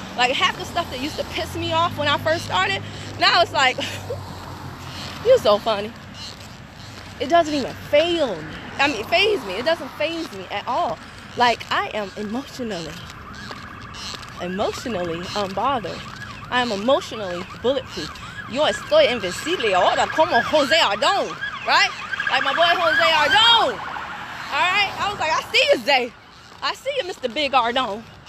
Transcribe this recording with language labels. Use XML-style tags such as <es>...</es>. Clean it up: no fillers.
<en>Like, half the stuff that used to piss me off when I first started, now it's like, you're so funny. It doesn't even faze me. It doesn't faze me at all. Like, I am emotionally unbothered. I am emotionally bulletproof.</en> <es>Yo estoy invencible ahora como Jose Ardón, right?</es> <en>Like my boy Jose Ardón, all right? I was like, I see you, Zay. I see you, Mr. Big Ardón.</en>